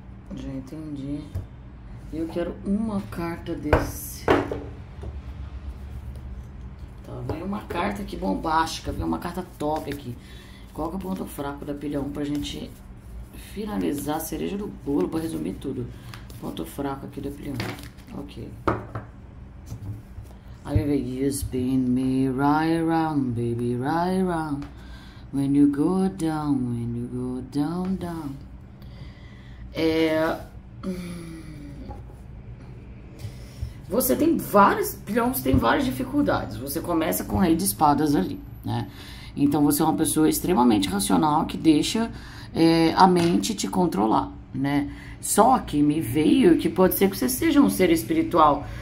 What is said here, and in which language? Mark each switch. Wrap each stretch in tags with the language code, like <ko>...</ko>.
<pt>Entendi. Eu quero uma carta desse. Tá, vem uma carta aqui bombástica, vem uma carta top aqui. Qual que é o ponto fraco da pilha 1 pra gente finalizar a cereja do bolo, pra resumir tudo. Ponto fraco aqui da pilha 1. Ok.</pt> <en>I remember you spin me right around, baby, right around. When you go down, when you go down, down.</en> <pt>Você tem várias, pilhões tem várias dificuldades. Você começa com o rei de espadas ali, né? Então você é uma pessoa extremamente racional que deixa a mente te controlar, né? Só que me veio que pode ser que você seja um ser espiritual.</pt>